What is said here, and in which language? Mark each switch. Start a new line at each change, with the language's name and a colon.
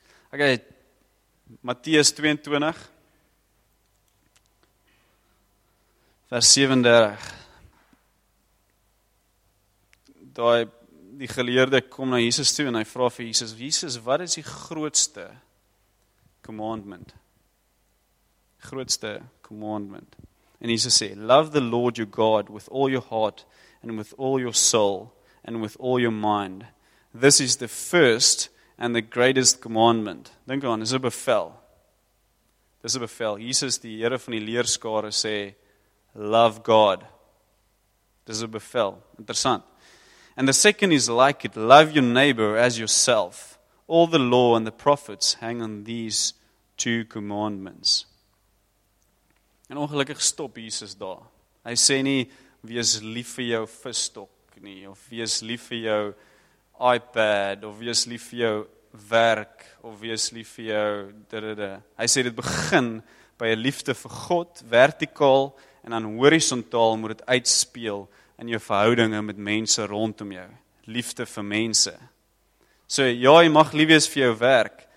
Afrikaans: Okay, Matteus 22 vers 37. Die geleerde kom na Jesus toe en hy vra vir Jesus, Jesus, wat is die grootste commandment? Grootste commandment. En Jesus sê,
English: love the Lord your God with all your heart and with all your soul and with all your mind. This is the first and the greatest commandment.
Afrikaans: Dink aan, dis 'n bevel. Dis 'n bevel. Jesus, die Here van die leerskare, sê,
English: love God.
Afrikaans: Dis 'n bevel. Interessant.
English: And the second is like it, love your neighbor as yourself. All the law and the prophets hang on these two commandments.
Afrikaans: En ongelukkig stop Jesus daar. Hy sê nie, wees lief vir jou visstok nie, of wees lief vir jou iPad, of wees lief vir jou werk, of wees lief vir jou dirrede. Hy sê, dit begin by 'n liefde vir God, vertikaal, en dan horisontaal moet dit uitspeel in jou verhoudinge met mense rondom jou. Liefde vir mense. So, ja, jy mag lief wees vir jou werk,